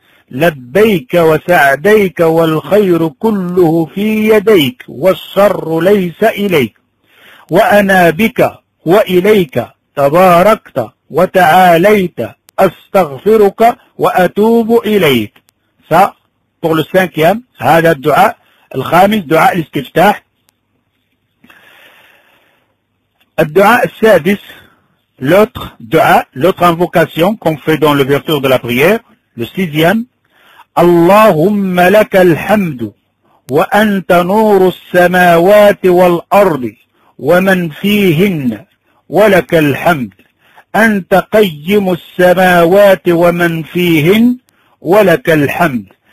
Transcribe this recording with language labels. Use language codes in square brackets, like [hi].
[ar] لبيك وسعديك والخير كله في يديك والشر ليس إليك. وأنا بك وإليك تباركت وتعاليت استغفرك واتوب اليك. [fr] ça pour le cinquième. [ar] هذا الدعاء الخامس دعاء الاستفتاح. الدعاء السادس [fr] l'autre invocation qu'on fait dans l'ouverture de la prière. le sixième. [ar] اللهم لك الحمد وانت نور السماوات والارض ومن فيهن ولك الحمد. أنت قيم السماوات ومن فيهن ولك الحمد.